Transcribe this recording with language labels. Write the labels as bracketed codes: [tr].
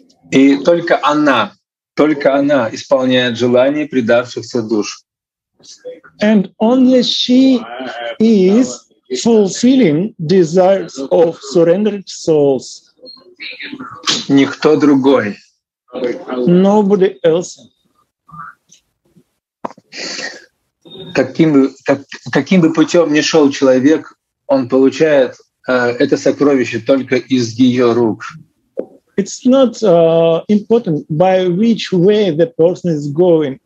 [ru] И только она исполняет желание предавшихся душ. [en] And only she is fulfilling desires of surrendered souls. [ru] Никто другой. [en] Nobody else. [ru] Каким бы путем ни шел человек, он получает это сокровище только из ее рук. [en] It's not important by which way the person is going.